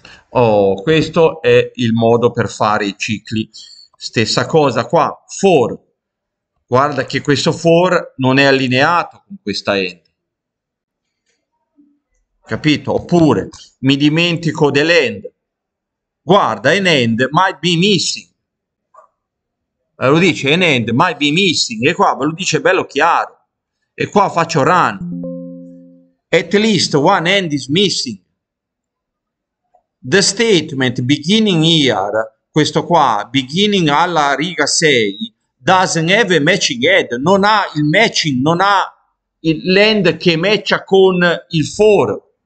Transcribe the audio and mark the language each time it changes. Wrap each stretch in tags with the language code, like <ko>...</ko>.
<it>Oh, questo è il modo per fare i cicli. Stessa cosa qua, for. Guarda che questo for non è allineato con questa end. Capito? Oppure mi dimentico dell'end.</it> <en>Guarda, end might be missing.</en> <it>Lo dice</it> <en>end might be missing.</en> <it>E qua lo dice bello chiaro. E qua faccio run.</it> <en>At least one end is missing. The statement beginning here,</en> <it>questo qua,</it> <en>beginning</en> <it>alla riga 6,</it> <en>doesn't have a matching end.</en> <it>Non ha il matching, non ha l'end che matcha con il for.</it>